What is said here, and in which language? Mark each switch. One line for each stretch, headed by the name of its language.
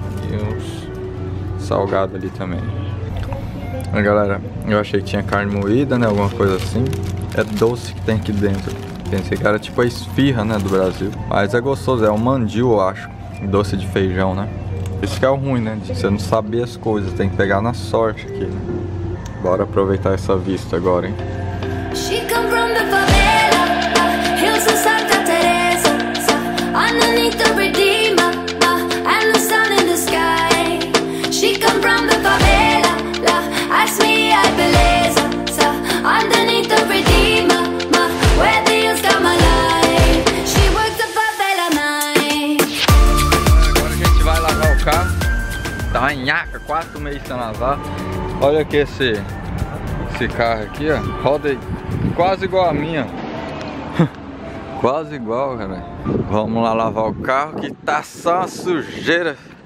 Portuguese: E uns salgados ali também. Galera, eu achei que tinha carne moída, né? Alguma coisa assim. É doce que tem aqui dentro. consistência, cara. Tipo a esfirra, né, do Brasil. Mas é gostoso, é um mandio, eu acho. Doce de feijão, né? Isso que é o ruim, né? De você não saber as coisas, tem que pegar na sorte aqui. Bora aproveitar essa vista agora, hein?
English: She come from the favela, hills of Santa Teresa, underneath the redeemer, and the sun in the sky. She come from the favela, ask me a beleza, underneath the redeemer, where the hills got my life. She works the favela night.
Portuguese: Agora a gente vai lavar o carro. Tá em nhaca, 4 meses sem lavar. Olha aqui esse carro aqui, ó. Roda aí. Quase igual a minha. Quase igual, cara. Vamos lá lavar o carro, que tá só uma sujeira.